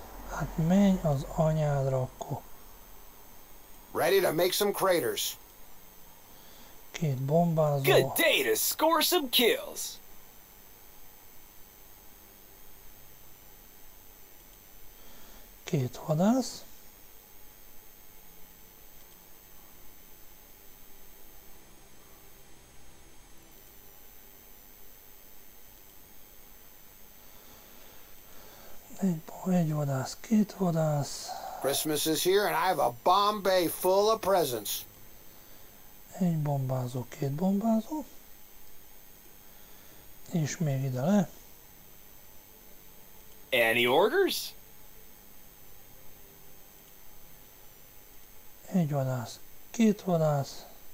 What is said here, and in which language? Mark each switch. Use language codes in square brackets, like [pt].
[hu] Hát menj az anyádra akkor. [en] Ready to make some craters. [hu] Két bombázó. [en] Good day to score some kills. [hu] Két vadász. Egy vadász, két vadász. [en] Christmas is here and I have a bomb bay full of presents. [hu] Egy bombázó, két bombázó. És még ide le. [en] Any orders? [hu] Egy vadász, két vadász.